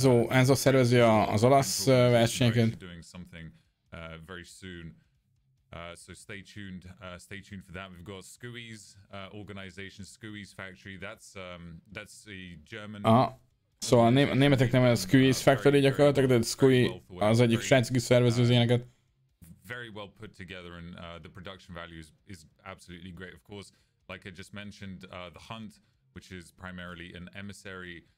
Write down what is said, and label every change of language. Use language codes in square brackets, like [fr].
[hu] Enzo szervezi az olasz versenyeket. [en] Very soon. So stay tuned. Stay tuned for that. We've got Scooey's organization, Scooey's Factory. That's a German. [hu] So a németek neve Scooey's Factory gyakorlatilag, de Scooey az egyik srác, aki szervezi az ilyeneket. [en] Very well put together, and the production value is absolutely great, of course. Like I just mentioned, the Hunt, which is primarily an emissary.